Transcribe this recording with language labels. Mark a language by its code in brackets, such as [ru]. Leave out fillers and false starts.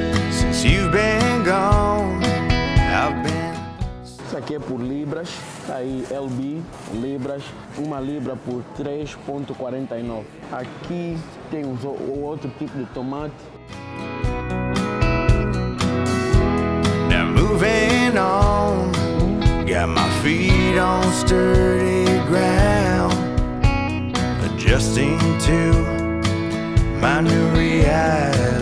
[en] Since you've been gone, I've been... [pt] Isso aqui é por libras, tá aí LB, libras, uma libra por 3,49. Aqui tem o outro tipo de tomate. [en] Moving on, got my feet on sturdy ground, adjusting to my new reality.